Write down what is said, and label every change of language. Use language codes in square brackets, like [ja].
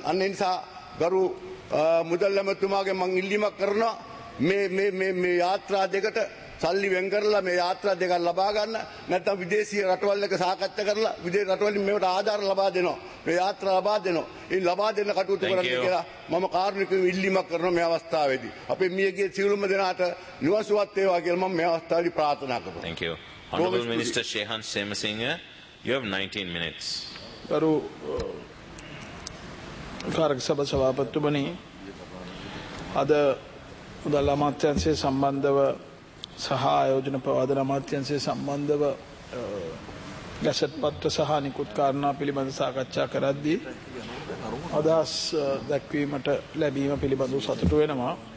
[si] අන්න ඒ නිසා ගරු මුදල් ඇමතුමාගේ මං ඉල්ලීමක් කරනවා මේ මේ මේ මේ යාත්‍රා දෙකට සල්ලි වෙන් කරලා මේ යාත්‍රා දෙකක් ලබා ගන්න, නැත්නම් විදේශීය රටවල්ක සාකච්ඡා කරලා විදේශ රටවලින් මේවට ආධාර ලබා දෙනවා, මේ යාත්‍රා ලබා දෙනවා. ඒ ලබා දෙන කටයුතු කරන්න කියලා මම කාරුණිකව ඉල්ලීමක් කරනවා මේ අවස්ථාවේදී. අපේ මියගේ සිවුලම දෙනාට නිවසුවත් වේවා කියලා මම මේ අවස්ථාවේදී ප්‍රාර්ථනා කරනවා. [en] Thank you. Honorable Minister Shehan Semasinghe, you have 19 minutes. [si] ගරු කාර්ක සභා සභාපතිතුමනි, අද මුදල් අමාත්‍යාංශය සම්බන්ධව සහ ආයෝජන ප්‍රවාදන අමාත්‍යාංශය සම්බන්ධව ගැසට් පත්‍ර සහ නිකුත් කාරණා පිළිබඳ සාකච්ඡා කරද්දී අදහස් දැක්වීමට ලැබීම පිළිබඳව සතුටු වෙනවා.